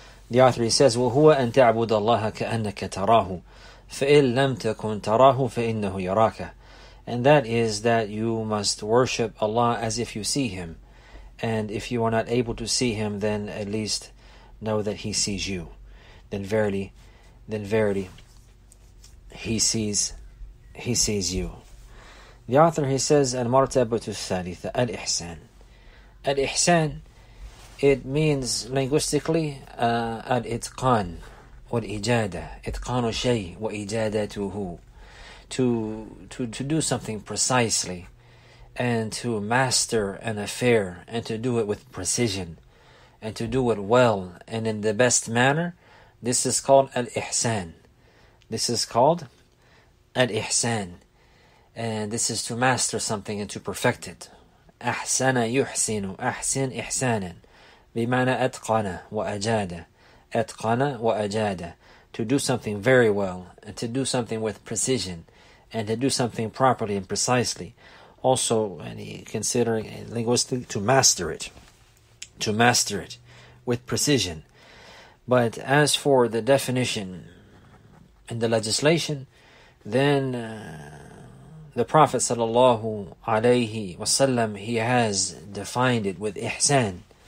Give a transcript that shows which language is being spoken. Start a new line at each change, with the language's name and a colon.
English: The author, he says,
Arabic: وَهُوَ أَن تَعْبُدَ اللَّهَ كَأَنَّكَ تَرَاهُ فَإِنْ لَمْ تَكُنْ تَرَاهُ فَإِنَّهُ يَرَاكَ.
English: And that is that you must worship Allah as if you see Him. And if you are not able to see Him, then at least know that He sees you. Then verily, He sees you. The author, he says,
Arabic: al-martabatu thalitha,
English: al-ihsan.
Arabic: Al-ihsan,
English: it means linguistically,
Arabic: al-itqan, wal-ijada, itqanu shay, wa-ijadatuhu.
English: To do something precisely, and to master an affair, and to do it with precision, and to do it well, and in the best manner, this is called al-ihsan. This is called al-ihsan. And this is to master something and to perfect it.
Arabic: أحسن يحسن أحسن إحسانا بمعنى أتقن وأجاد أتقن وأجاد.
English: To do something very well and to do something with precision and to do something properly and precisely. Also, and considering linguistically, to master it with precision. But as for the definition and the legislation, then the Prophet sallallahu alayhi wasallam, he has defined it with ihsan.